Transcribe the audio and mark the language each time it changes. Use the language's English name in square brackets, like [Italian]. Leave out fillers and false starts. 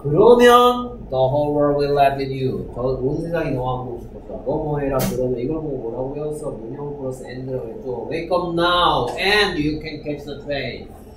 [Korean] 그러면, [English] the whole world will laugh at you. [Korean] 온 세상이 너와 함께 웃을 것이다. 너 뭐 해라. 그러면 이걸 보고 뭐라고 해서 문형 플러스 엔드라고 했죠. [English] Wake up now and you can catch the train.